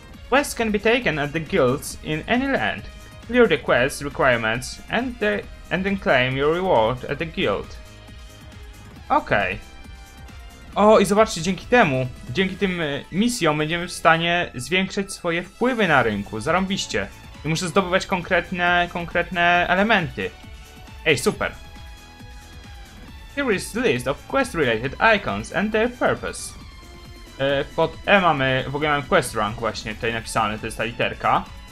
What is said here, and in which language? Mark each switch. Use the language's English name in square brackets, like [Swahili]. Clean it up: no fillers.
[English] West can be taken at the guilds in any land. Clear the quest requirements and then claim your reward at the guild. [Polish] Okej. Okay. O, i zobaczcie, dzięki tym misjom będziemy w stanie zwiększyć swoje wpływy na rynku, zarąbiście. I muszę zdobywać konkretne elementy. Ej, super. [English] Here is the list of quest-related icons and their purpose. [Polish] Pod E mamy, w ogóle mamy quest rank właśnie tutaj napisane, to jest ta literka.